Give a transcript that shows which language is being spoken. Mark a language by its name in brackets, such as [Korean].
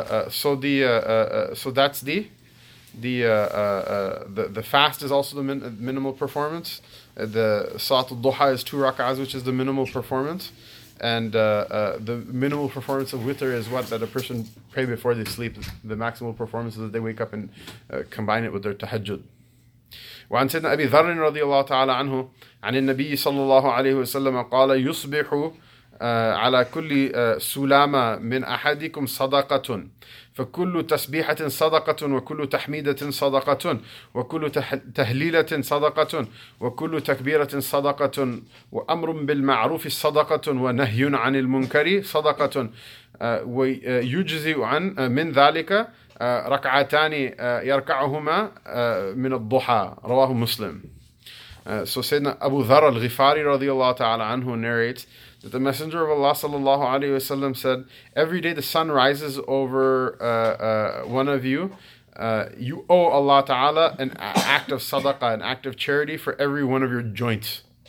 [English] So the fast is also the minimal performance. The salat al-duha is two rak'ahs, which is the minimal performance. And the minimal performance of witr is what? That a person pray before they sleep. The maximal performance is that they wake up and combine it with their tahajjud. [Arabic] وعن سيدنا أبي ذر رضي الله تعالى عنه عن النبي صلى الله عليه وسلم قال يصبح على كل سلامة من أحدكم صدقة فكل تسبيحة صدقة وكل تحميدة صدقة وكل تهليلة صدقة وكل تكبيرة صدقة وأمر بالمعروف صدقة ونهي عن المنكر صدقة ويجزي عن من ذلك ركعتان يركعهما من الضحى رواه مسلم. [English] So Sayyidina Abu Dhar al-Ghifari radiallahu ta'ala anhu narrates that the Messenger of Allah sallallahu alayhi wa sallam said, every day the sun rises over one of you, you owe Allah ta'ala an act of sadaqah, an act of charity for every one of your joints.